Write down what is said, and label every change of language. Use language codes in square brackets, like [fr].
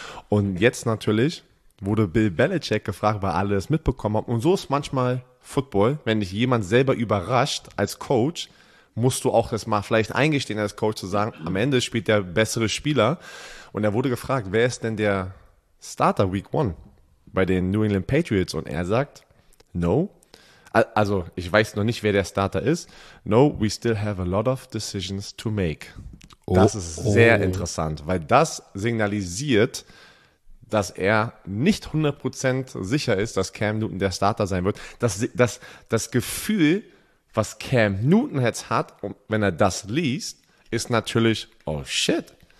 [de] Und jetzt natürlich wurde Bill Belichick gefragt, weil alle das mitbekommen haben. Und so ist manchmal Football, wenn dich jemand selber überrascht als Coach, musst du auch das mal vielleicht eingestehen als Coach zu sagen, am Ende spielt der bessere Spieler. Und er wurde gefragt, wer ist denn der Starter Week 1 bei den New England Patriots? Und er sagt, no. Also, ich weiß noch nicht, wer der Starter ist. [en] No, we still have a lot of decisions to make. [de] Oh, das ist sehr interessant, weil das signalisiert, dass er nicht 100% sicher ist, dass Cam Newton der Starter sein wird. Das Gefühl, was Cam Newton jetzt hat, wenn er das liest, ist natürlich, oh shit.